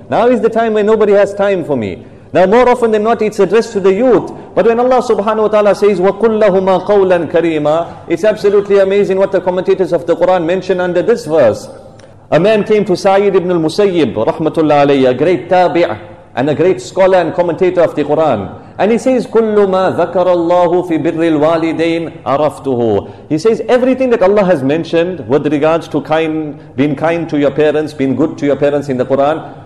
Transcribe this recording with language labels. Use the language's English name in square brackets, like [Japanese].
[English] Now is the time where nobody has time for me. Now more often than not, it's addressed to the youth. But when Allah subhanahu wa ta'ala says, [Arabic] وَقُلْ لَهُمَا قَوْلًا كَرِيمًا, [English] it's absolutely amazing what the commentators of the Quran mention under this verse. A man came to Sayyid ibn al-Musayyib, rahmatullah alayhi, a great tabi' and a great scholar and commentator of the Quran. And he says, [Arabic] كُلُّ مَا ذَكَرَ اللَّهُ فِي بِرِّ الْوَالِدَيْنِ عَرَفْتُهُ. [English] He says, everything that Allah has mentioned with regards to being kind to your parents, being good to your parents in the Quran,